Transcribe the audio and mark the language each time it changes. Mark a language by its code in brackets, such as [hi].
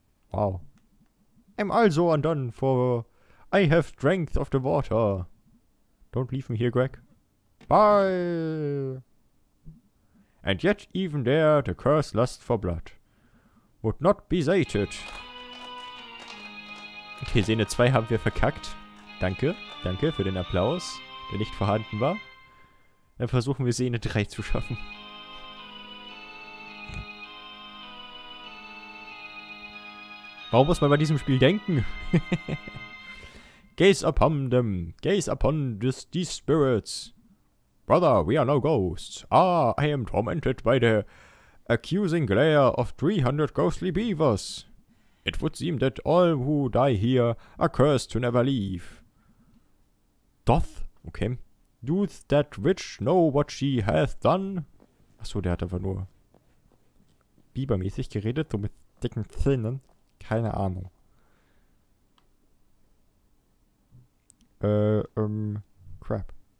[en] Wow. I'm also undone for... I have strength of the water. Don't leave me here, Greg. Bye. And yet even there the curse lust for blood would not be sated. [de] Okay, Szene 2 haben wir verkackt. Danke, danke für den Applaus, der nicht vorhanden war. Dann versuchen wir Szene 3 zu schaffen. Warum muss man bei diesem Spiel denken? [en] Gaze upon them, gaze upon these spirits. Brother, we are no ghosts. Ah, I am tormented by the accusing glare of 300 ghostly beavers. It would seem that all who die here are cursed to never leave. Doth? Okay. Doth that witch know what she hath done? [de] Achso, der hat einfach nur bibermäßig geredet, so mit dicken Zähnen. Keine Ahnung. [en] Crap.